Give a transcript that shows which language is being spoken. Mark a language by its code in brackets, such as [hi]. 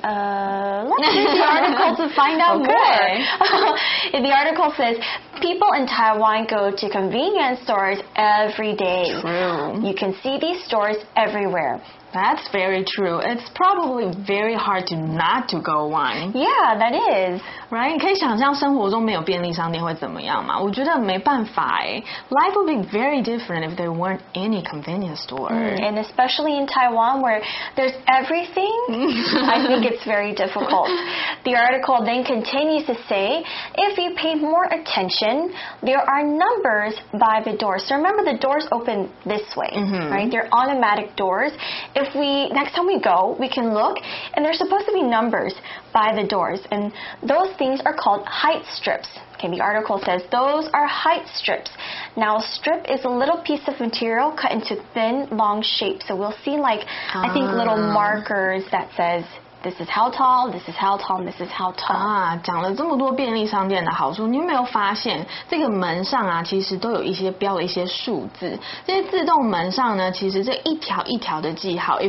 [en] Let's read the article to find out more. The article says, people in Taiwan go to convenience stores every day. True. You can see these stores everywhere. That's very true. It's probably very hard to not to go one. Yeah, that is. Right? [zh] 可以想象生活中没有便利商店会怎么样吗？我觉得没办法诶。 [en] Life would be very different if there weren't any convenience store. And especially in Taiwan where there's everything, I think it's very difficult. The article then continues to say, if you pay more attention, there are numbers by the door. So remember, the doors open this way, right? They're automatic doors. If we, next time we go, we can look, and there's supposed to be numbers by the doors, and those things are called height strips. Okay, the article says those are height strips. Now, a strip is a little piece of material cut into thin, long shapes, so we'll see, like, I think little markers that says... This is how tall, this is how tall, this is how tall. [zh] 啊，讲了这么多便利商店的好处，你有没有发现这个门上啊，其实都有一些标了一些数字。这些自动门上呢，其实这一条一条的记号。